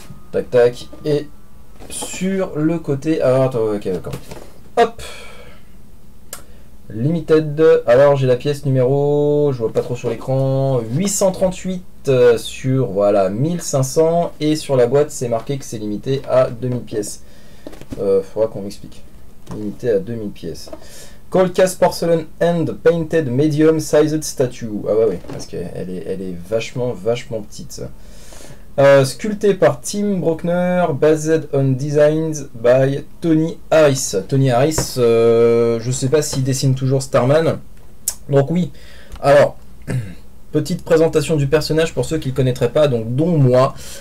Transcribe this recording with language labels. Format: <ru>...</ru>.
<fr>Tac, tac. Et sur le côté. Ah, attends, ok, d'accord. Hop! Limited, alors j'ai la pièce numéro, je vois pas trop sur l'écran, 838 sur voilà 1500, et sur la boîte c'est marqué que c'est limité à 2000 pièces. Faudra qu'on m'explique. Limité à 2000 pièces.</fr> <en>Cold cast porcelain and painted medium sized statue.</en> <fr>Ah ouais, parce qu'elle est, vachement petite. Sculpté par Tim Brockner,</fr> <en>based on designs by Tony Harris.</en> <fr>Tony Harris, je ne sais pas s'il dessine toujours Starman. Donc oui, alors, petite présentation du personnage pour ceux qui ne le connaîtraient pas, donc dont moi.</fr>